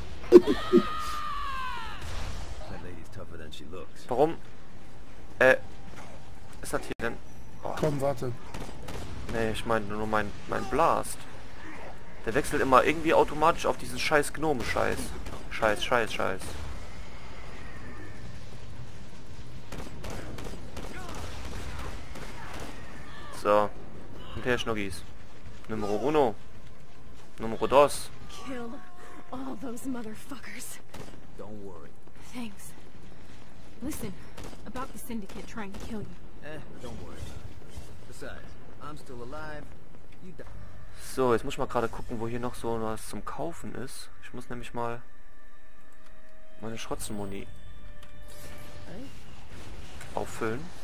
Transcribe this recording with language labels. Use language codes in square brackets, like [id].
[en] That lady's tougher than she looks. [de] Warum? Ist das hier denn? Oh. Komm, warte. Nee, ich meine nur mein Blast. Der wechselt immer irgendwie automatisch auf diesen scheiß Gnomen-Scheiß. Scheiß, scheiß, scheiß. So, und her Schnuggis. [es] Numero uno. Numero dos. [en] Kill all those motherfuckers. Don't worry. Thanks. Listen, about the syndicate trying to kill you. Don't worry. Besides, I'm still alive. You die. [de] So, jetzt muss ich mal gerade gucken, wo hier noch so was zum Kaufen ist. Ich muss nämlich mal meine Schrotzenmuni auffüllen.